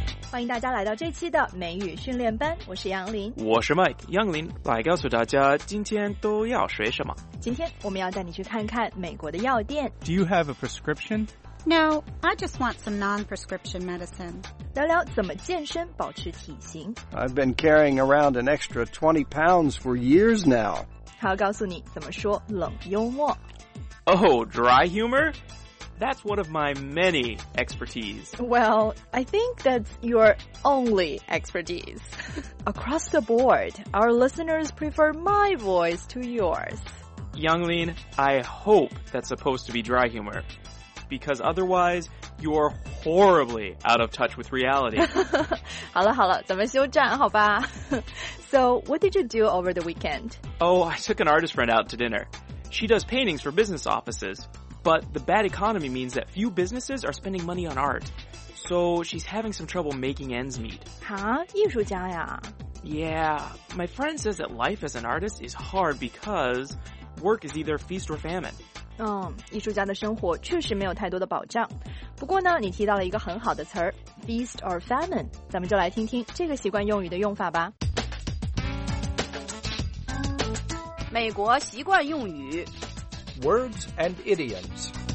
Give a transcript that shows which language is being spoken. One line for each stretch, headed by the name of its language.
Chinese: 欢迎大家来到这期的美语训练班，我是杨林，我是 Mike， 杨林来告诉大家今天都要学什么。今天我们要带你去看看美国的药店。
English: Do you have a prescription? No, I just want some non-prescription medicine.
Chinese: 聊聊怎么健身保持体型。
English: I've been carrying around an extra 20 pounds for years now.
Chinese: 他要告诉你怎么说冷幽默。
English: Oh, dry humor? That's one of my many expertise. Well, I think that's your only expertise. Across the board, our listeners prefer my voice to yours. Younglin, I hope that's supposed to be dry humor. Because otherwise, you're horribly out of touch with reality.
Chinese: 好了好了，咱们休战好吧。
English: So, what did you do over the weekend? Oh, I took an artist friend out to dinner. She does paintings for business offices, but the bad economy means that few businesses are spending money on art. So she's having some trouble making ends meet.
Chinese: Huh? 艺术家呀?
English: Yeah, my friend says that life as an artist is hard because work is either feast or famine.
Chinese: 艺术家的生活确实没有太多的保障。不过呢，你提到了一个很好的词儿
English: feast or famine.
Chinese: 咱们就来听听这个习惯用语的用法吧。美国习惯用语
English: Words and idioms